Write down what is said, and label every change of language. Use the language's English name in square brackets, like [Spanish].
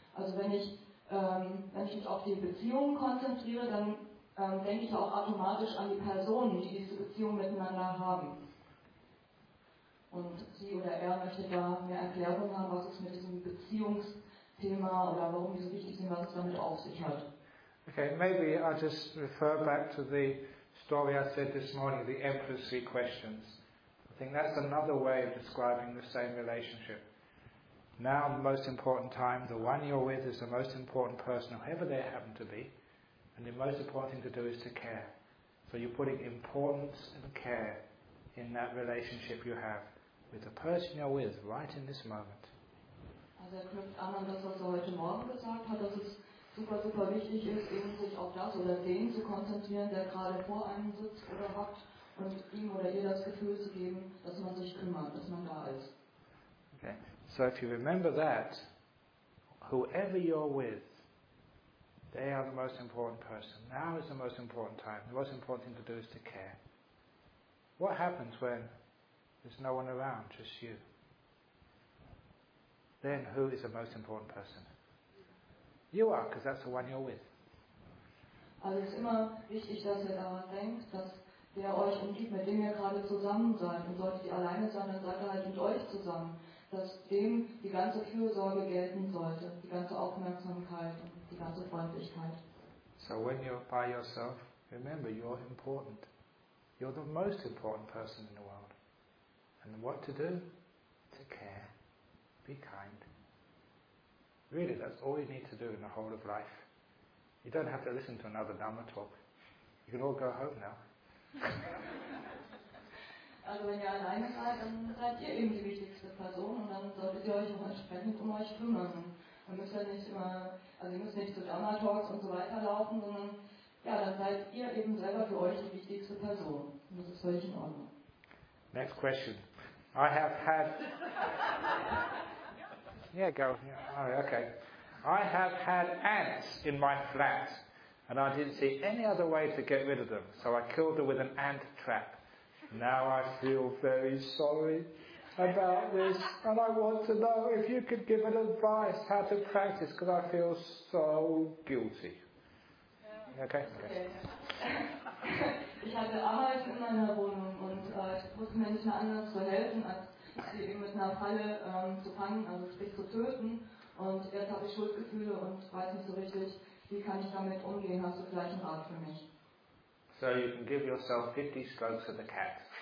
[German] Also wenn ich mich auf die Beziehungen konzentriere, dann denke ich auch automatisch an die Personen, die diese Beziehung miteinander haben. Und sie oder er möchte da mehr Erklärung haben, was es mit diesem Beziehungsthema oder warum die so wichtig sind, was es damit auf sich hat. [English] Okay, maybe I'll just refer back to the story I said this morning, the Emperor's Three Questions. I think that's another way of describing the same relationship. Now the most important time, the one you're with is the most important person, whoever they happen to be. And the most important thing to do is to care. So you're putting importance and care in that relationship you have with the person you're with right in this moment. [German] Also er knüpft an das, was er heute Morgen gesagt hat, dass es super, super wichtig ist, eben sich auf das oder den zu konzentrieren, der gerade vor einem sitzt oder hockt, und ihm oder ihr das Gefühl zu geben, dass man sich kümmert, dass man da ist. [English] Okay. So if you remember that, whoever you're with, they are the most important person. Now is the most important time. The most important thing to do is to care. What happens when there's no one around, just you? Then who is the most important person? You are, because that's the one you're with. [German] Also it's immer wichtig, dass ihr daran denkt, dass der euch umgibt, mit dem ihr gerade zusammen seid. Und solltet ihr alleine sein, dann seid ihr halt mit euch zusammen. Dass dem die ganze Fürsorge gelten sollte, die ganze Aufmerksamkeit und die ganze Freundlichkeit. [English] So when you're by yourself, remember, you're important. You're the most important person in the world. And what to do? To care. Be kind. Really, that's all you need to do in the whole of life. You don't have to listen to another Dhamma talk. You can all go home now. [German] Also wenn ihr alleine seid, dann seid ihr eben die wichtigste Person und dann solltet ihr euch auch entsprechend um euch kümmern. Dann müsst ihr nicht immer, also ihr müsst nicht zu Dhamma-Talks und so weiter laufen, sondern ja, dann seid ihr eben selber für euch die wichtigste Person. Und das ist völlig in Ordnung. [English] Next question. I have had... Yeah, go. Yeah. Okay. I have had ants in my flat and I didn't see any other way to get rid of them. So I killed them with an ant trap. Now I feel very sorry about this, and I want to know if you could give an advice how to practice, because I feel so guilty. Okay. [German] ich hatte Arbeit in meiner Wohnung und ich wusste mir nicht mehr anders zu helfen, als sie eben mit einer Falle zu fangen, also sprich zu töten. Und jetzt habe ich Schuldgefühle und weiß nicht so richtig, wie kann ich damit umgehen. Hast du vielleicht einen Rat für mich? [English] So you can give yourself 50 strokes of the cat.